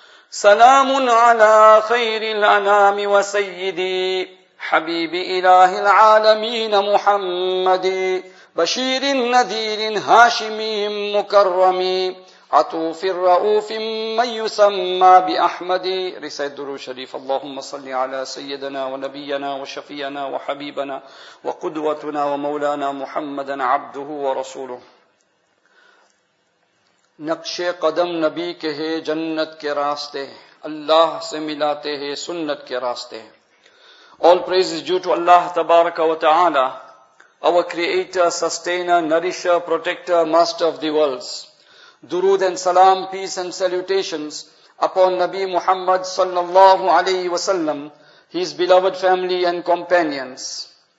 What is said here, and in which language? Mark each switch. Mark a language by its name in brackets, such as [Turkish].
[Arabic] سلام على خير الأنام وسيدي حبيب إله العالمين محمد، بشير النذير هاشمي مكرمي، عطوف الرؤوف من يسمى بأحمد. رسالة درو شريف. اللهم صل على سيدنا ونبينا وشفينا وحبيبنا وقدوتنا ومولانا محمدا عبده ورسوله. [Urdu] نقش قدم نبی کے ہے جنت کے راستے، اللہ سے ملاتے ہیں سنت کے راستے. [English] All praises due to Allah تبارک و تعالی، our creator, sustainer, nourisher, protector, master of the worlds. Durood and salam, peace and salutations upon Nabi Muhammad sallallahu alayhi wa sallam, his beloved family and companions.